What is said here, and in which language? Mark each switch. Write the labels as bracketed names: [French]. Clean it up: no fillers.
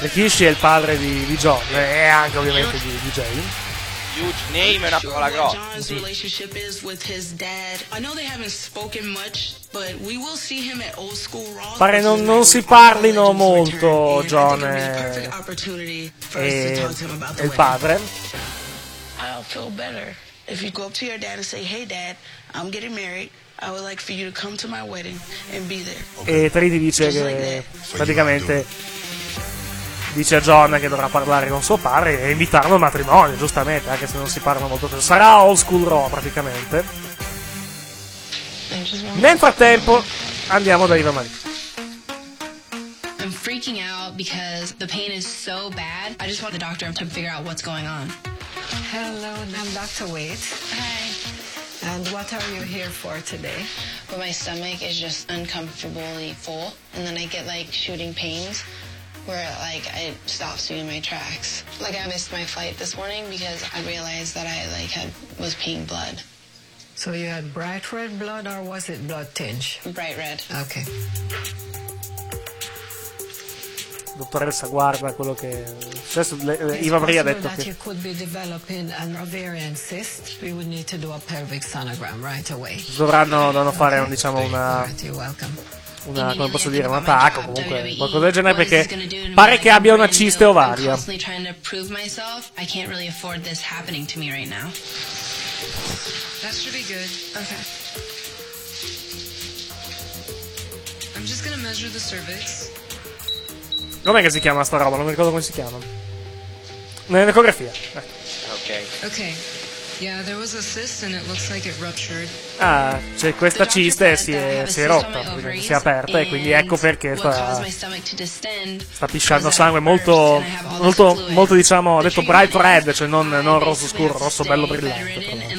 [Italian] Rikishi è il padre di John e anche ovviamente di Jay. [English] Huge name in sure what John's mm-hmm. relationship is with his dad. I know they haven't spoken much, but we will see him at Old School Raw. [Italian] Pare non si parlino molto, John e il padre. [English] I'll feel better if you go up to your dad and say, "Hey dad, I'm getting married. I would like for you to come to my wedding and be there." [Italian] E Trinity dice che praticamente dice a John che dovrà parlare con suo padre e invitarlo al matrimonio, giustamente, anche se non si parla molto. Sarà Old School Raw, praticamente. Nel frattempo, andiamo da Eva Marie. [English] I'm freaking out because the pain is so bad. I just want the doctor to figure out what's going on. Hello, I'm Dr. Wade. Hi. And what are you here for today? Well, my stomach is just uncomfortably full, and then I get like shooting pains. Where like it stops me in my tracks. Like I missed my flight this morning because I realized that I like had was peeing blood. So you had bright red blood or was it blood tinge? Bright red. Okay. [Italian] Dottoressa, guarda quello che adesso Eva Maria ha detto che [English] could be developing an ovarian cyst. We would need to do a pelvic sonogram right away. [Italian] Dovranno fare okay. Diciamo una una, come posso dire, un attacco, comunque qualcosa del genere, perché pare che abbia una ciste ovaria. Com'è che si chiama sta roba? Non mi ricordo come si chiama. Nell'ecografia. Ok. Ok. [English] Yeah, there was a cyst and it looks like it ruptured. [Italian] Ah, cioè questa cista si è rotta, si è aperta e quindi ecco perché sta pisciando sangue molto molto molto, diciamo, ha detto [English] bright red, [Italian] cioè non rosso scuro, rosso bello brillante.